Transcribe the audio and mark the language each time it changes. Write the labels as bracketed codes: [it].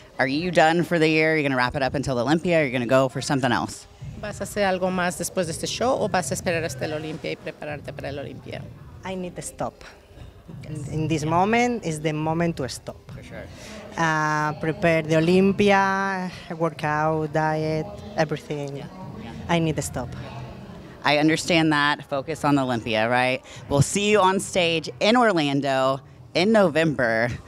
[en] Are you done for the year? Are you going to wrap it up until the Olympia, or are you going to go for something else? [es] ¿Vas a hacer algo más después de este show o vas a esperar hasta el Olympia y prepararte para el Olympia? [en] I need to stop. Yes. In this moment is the moment to stop. For sure. Prepare the Olympia, workout, diet, everything. Yeah. I need to stop. I understand that. Focus on the Olympia, right? We'll see you on stage in Orlando in November.